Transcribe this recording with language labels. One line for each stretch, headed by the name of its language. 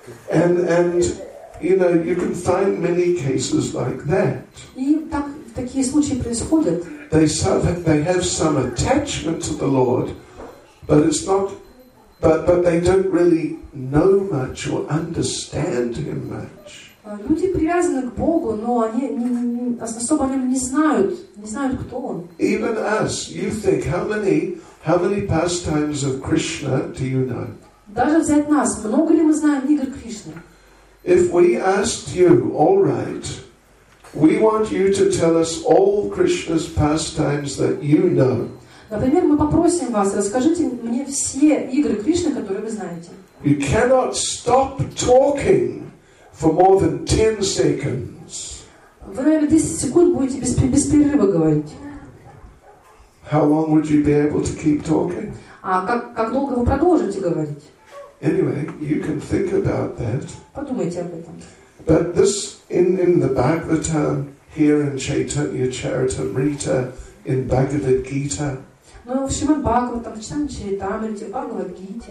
English: And you know, you can find many cases like that.
Russian: И так такие случаи происходят.
English: They have some attachment to the Lord, but it's not. But they don't really know much or understand him much.
Russian: Люди привязаны к Богу, но они особо о нем не знают, кто он.
English: Even us, you think how many pastimes of Krishna do you know?
Russian: Даже взять нас, много ли мы знаем игр Кришны?
English: If we asked you, all right. We want you to tell us all Krishna's pastimes that you know.
Russian: Например, мы попросим вас, расскажите мне все игры Кришны, которые вы знаете.
English: You cannot stop talking for more than 10 seconds.
Russian: Вы, наверное, 10 секунд будете без перерыва говорить.
English: How long would you be able to keep talking?
Russian: А как долго вы продолжите говорить?
English: Anyway, you can think about that.
Russian: Подумайте об этом.
English: But this in the Bhagavatam here in Chaitanya Charitamrita in Bhagavad Gita.
Russian: Но в Шримад Бхагаватам, в Чайтамрите, в Бхагавад Гите.